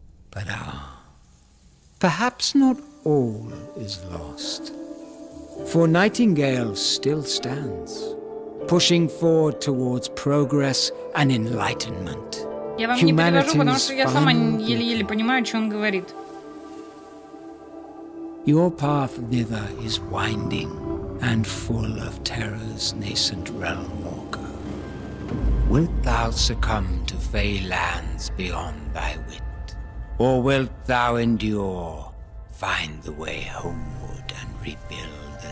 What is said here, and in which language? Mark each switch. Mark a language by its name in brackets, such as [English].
[English] But perhaps not all is lost. For Nightingale still stands, pushing forward towards progress and enlightenment. [Russian] Я вам Humanity's не перевожу, потому что я сама еле-еле понимаю, о чем он говорит. [English] Your path thither is winding and full of terror's nascent realm walker. Wilt thou succumb to fey lands beyond thy wit? Or wilt thou endure, find the way homeward and rebuild?